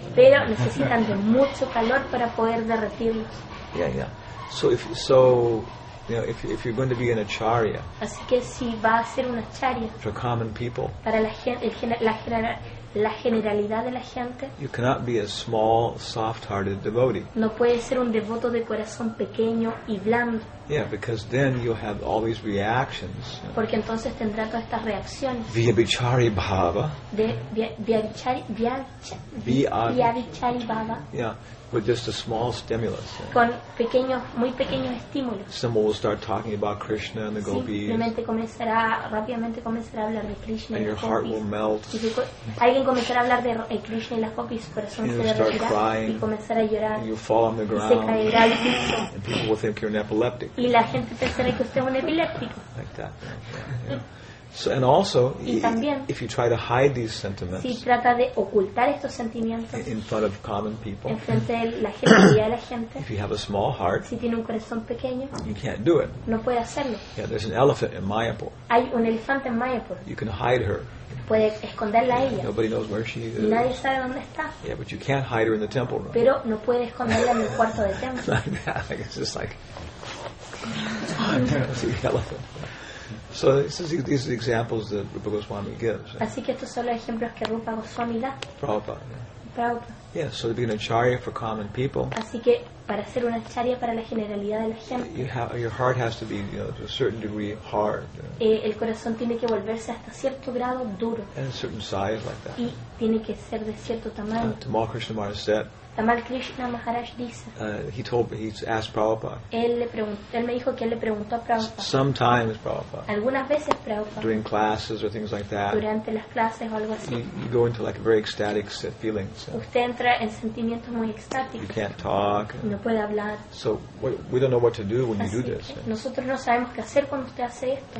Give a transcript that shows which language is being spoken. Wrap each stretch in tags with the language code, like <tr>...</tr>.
<es>Pero necesitan de mucho calor para poder derretirlos.</es> <en>Yeah, yeah. You know, if you're going to be an acharya,</en> <es>así que si va a ser un acharya,</es> <en>for common people,</en> <es>para la generalidad de la gente,</es> <en>you cannot be a small, soft-hearted devotee.</en> <es>No puede ser un devoto de corazón pequeño y blando.</es> <en>Yeah, because then you'll have all these reactions.</en> <es>Porque entonces tendrá todas estas reacciones.</es> <en>Vyabhichari bhava.</en> <es>Vyabhichari bhava.</es> <en>Yeah. With just a small stimulus.</en> <es>Con pequeños, muy pequeños estímulos.</es> <en>Someone will start talking about Krishna and the gopis.</en> <es>Simplemente comenzará, rápidamente comenzará a hablar de Krishna.</es> <en>And your heart will melt.</en> <es>Alguien comenzará a hablar de Krishna y las gopis, su corazón se derretirá y comenzará a llorar.</es> <en>And you'll fall on the ground.</en> <es>Y se caerá al piso.</es> <en>And people will think you're an epileptic.</en> <es>Y la gente pensará que usted es un epiléptico.</es> <en>Like that. So, and also,</en> <es>también,</es> <en>if you try to hide these sentiments,</en> <es>si trata de ocultar estos sentimientos,</es> <en>in front of common people,</en> <es>en frente de la generalidad de la gente,</es> <en>if you have a small heart,</en> <es>si tiene un corazón pequeño,</es> <en>you can't do it.</en> <es>No puede hacerlo.</es> <en>Yeah, there's an elephant in Mayapur.</en> <es>Hay un elefante en Mayapur.</es> <en>You can hide her.</en> <es>Puede esconderla a ella.</es> <en>Nobody knows where she is.</en> <es>Nadie sabe dónde está.</es> <en>Yeah, but you can't hide her in the temple room.</en> <es>Pero no puede esconderla en el cuarto del templo.</es> <en>Like that. It's just like see the elephant. So these are examples that Rupa Goswami gives.</en> <es>Así que estos son los ejemplos que Rupa Goswami da. Prabhupada.</es> <en>Yeah, so to be an acharya for common people.</en> <es>Así que para ser una acharya para la generalidad de la gente.</es> <en>Your heart has to be, you know, to a certain degree hard.</en> <es>El corazón tiene que volverse hasta cierto grado duro.</es> <en>And a certain size like that.</en> <es>Y tiene que ser de cierto tamaño.</es> <en>Tamal Krishna Maharaj said.</en> <es>Tamal Krishna Maharaj dice.</es> <en>He's asked Prabhupada.</en> <es>Él me dijo que le preguntó a Prabhupada.</es> <en>Sometimes Prabhupada.</en> <es>Algunas veces Prabhupada.</es> <en>During classes or things like that.</en> <es>Durante las clases o algo así.</es> <en>You go into like a very ecstatic feeling. So.</en> <es>Usted entra en sentimientos muy extáticos.</es> <en>You can't talk.</en> <es>No puede hablar.</es> <en>So we don't know what to do when</en> <es>así</es> <en>you do this.</en> <es>Nosotros no sabemos qué hacer cuando usted hace esto.</es>